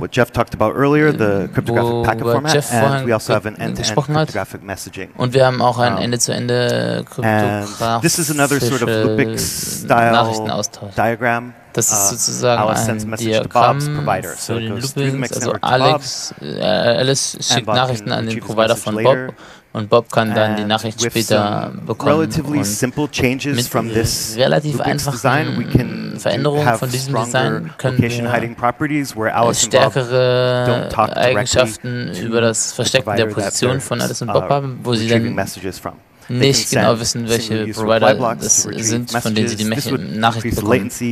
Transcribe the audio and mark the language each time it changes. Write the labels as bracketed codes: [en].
[en] What Jeff talked about earlier, the cryptographic packet format, Jeff and we also have an end-to-end cryptographic messaging. [de] Und wir haben auch ein Ende-zu-Ende kryptografische. [en] This is another sort of Lubick style diagram. [de] Das ist sozusagen ein Diagramm für den Lubick. Also Alice schickt Nachrichten an den Provider von Bob. Und Bob kann dann die Nachricht später bekommen. Mit relativ einfachen Veränderungen von diesem Design können wir stärkere Eigenschaften über das Verstecken der Position von Alice und Bob haben, wo sie dann nicht genau wissen, welche Provider das sind, von denen sie die Nachricht bekommen.